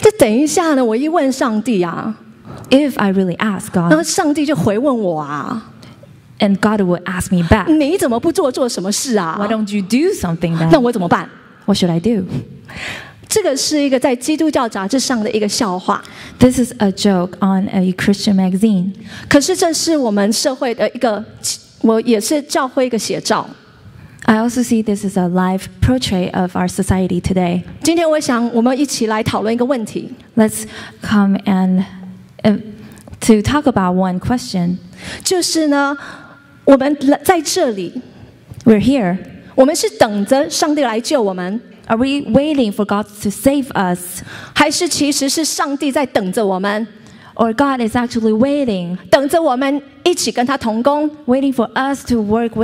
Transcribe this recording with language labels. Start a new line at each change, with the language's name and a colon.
Chinese: 这等一下呢我一问上帝啊
English: If I really ask God,
Chinese: 那上帝就回问我啊
English: And God will ask me back.
Chinese: 你怎么不做做什么事啊
English: Why don't you do something then?
Chinese: 那我怎么办
English: What should I do?
Chinese: 这个是一个在基督教杂志上的一个笑话。
English: This is a joke on a Christian magazine.
Chinese: 可是这是我们社会的一个，我也是教会一个写照。
English: I also see this is a live portrait of our society today.
Chinese: 今天我想我们一起来讨论一个问题。
English: Let's come and to talk about one question.
Chinese: 就是呢，我们在这里。
English: We're here.
Chinese: 我们是等着上帝来救我们。
English: Are we waiting for God to save us?
Chinese: 还是其实是上帝在等着我们?
English: Or God is actually waiting.
Chinese: 等着我们一起跟他同工,
English: waiting for us to work with him.